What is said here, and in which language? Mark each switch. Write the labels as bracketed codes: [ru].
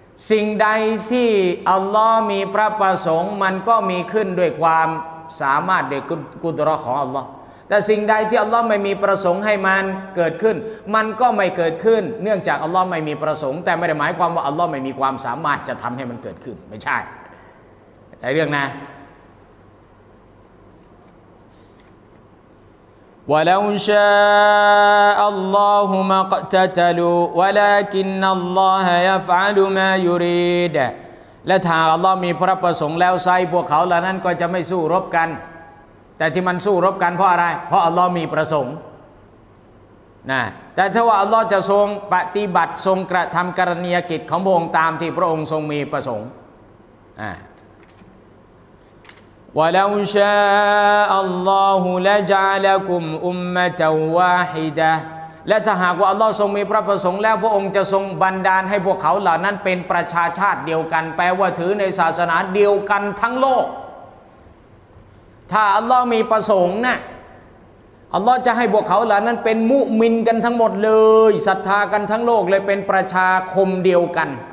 [th] สิ่งใดที่อัลลอฮ์มีพระประสงค์มันก็มีขึ้นด้วยความสามารถด้วยกุดเราะห์ของอัลลอฮ์แต่สิ่งใดที่อัลลอฮ์ไม่มีประสงค์ให้มันเกิดขึ้นมันก็ไม่เกิดขึ้นเนื่องจากอัลลอฮ์ไม่มีประสงค์แต่ไม่ได้หมายความว่าอัลลอฮ์ไม่มีความสามารถจะทำให้มันเกิดขึ้นไม่ใช่เข้าใจเรื่องนะ [ar] ولو شاء الله ما اقتتلوا ولكن الله يفعل ما يريد [th] และถ้าอัลลอฮ์มีพระประสงค์แล้วไซพวกเขาเหล่านั้นก็จะไม่สู้รบกันแต่ที่มันสู้รบกันเพราะอะไรเพราะอัลลอฮ์มีประสงค์นะแต่ถ้าว่าอัลลอฮ์จะทรงปฏิบัติทรงกระทํากรณียกิจของพระองค์ตามที่พระองค์ทรงมีประสงค์ [ar] ولو شاء الله لجعلكم أمة واحدة [th] และถ้าหากว่าอัลลอฮ์ทรงมีพระประสงค์แล้วพระองค์จะทรงบันดาลให้พวกเขาเหล่านั้นเป็นประชาชาติเดียวกันแปลว่าถือในศาสนาเดียวกันทั้งโลกถ้าอัลลอฮ์มีประสงค์นะอัลลอฮ์จะให้พวกเขาเหล่านั้นเป็นมุมินกันทั้งหมดเลยศรัทธากันทั้งโลกเลยเป็นประชาคมเดียวกัน